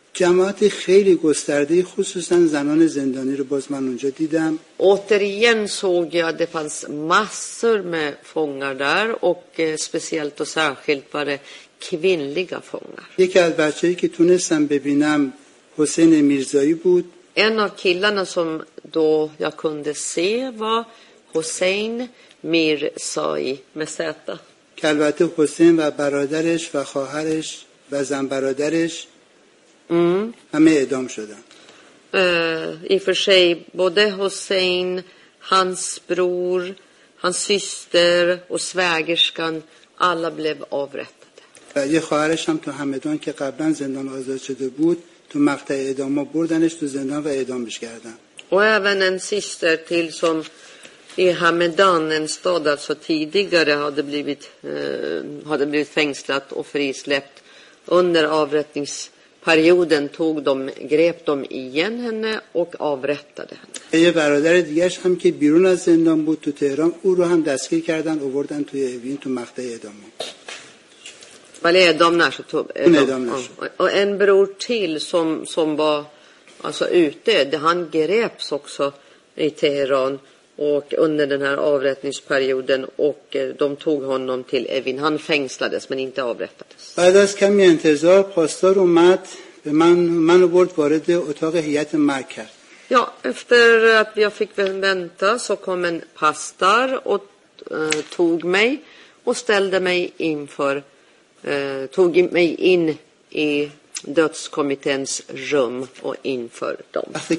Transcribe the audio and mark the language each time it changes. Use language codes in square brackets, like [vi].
[fa] جماعت خیلی گسترده خصوصا زنان زندانی رو باز من اونجا دیدم. [sv] Återigen såg jag det fanns massor med fångar där och speciellt och särskilt var det kvinnliga fångar. [fa] یکی از بچه‌ای که تونستم ببینم حسین میرزایی بود. [sv] En av killarna som då jag kunde se var Hussein Mirzai med zeta. [fa] که البته حسین و برادرش و خواهرش و زن برادرش همه اعدام شدن. [sv] I för sig både Hussein, hans bror, hans syster och svägerskan, alla blev avrättade. [fa] و یه خواهرش هم تو همدان که قبلا زندان آزاد شده بود تو مقطع اعدام بردنش تو زندان و اعدامش کردن. [sv] Och även en syster till som i Hamedan, en stad alltså tidigare, hade blivit fängslat och frisläppt. Under avrättningsperioden grep de igen henne och avrättade henne. [fa] یه برادر دیگرش هم که بیرون از زندان بود تو تهران او رو هم دستگیر کردن و بردن توی اوین تو مقطع اعدام. ولی اعدام نشد. اعدام نشد. [sv] و en bror till som var alltså ute. Han greps också i Teheran och under den här avrättningsperioden och de tog honom till Evin. Han fängslades men inte avrättades. [fa] بعد از کمی انتظار پاسدار اومد به من منو برد وارد اتاق هیئت مرگ کرد. [sv] Ja, efter att jag fick vänta så kom en pastor och tog mig och ställde mig inför tog mig in i dödskommitténs rum och inför dem.